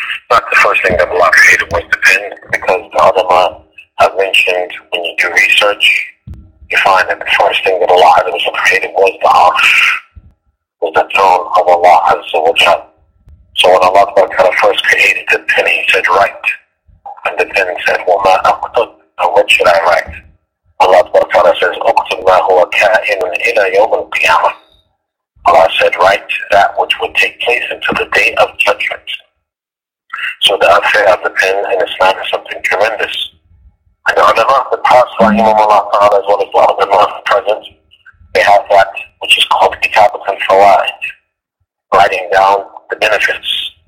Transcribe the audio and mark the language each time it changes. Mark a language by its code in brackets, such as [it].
[en] Not the first thing that Allah created was the pen, because the ulama have mentioned when you do research, you find that the first thing that Allah has created was the arsh, was the throne of Allah Azza wa Jalla. So when Allah first created the pen, he said, write. And the pen said, [ar] وَمَا أَقْتُبْ. [en] What should I write? Allah says, [ar] أُقْتُبْ مَا هُوَ كَائِنٌ إِلَى يَوْمَ الْقِيَامَةِ. [en] Allah said, write that which would take place until the Day of Judgment. So the affair of the pen in Islam is something tremendous. And the ulama of the past, rahimahumullah ta'ala, as well as the ulama of the present, they have that which is called Kitabat al-Fawaid, writing down the benefits.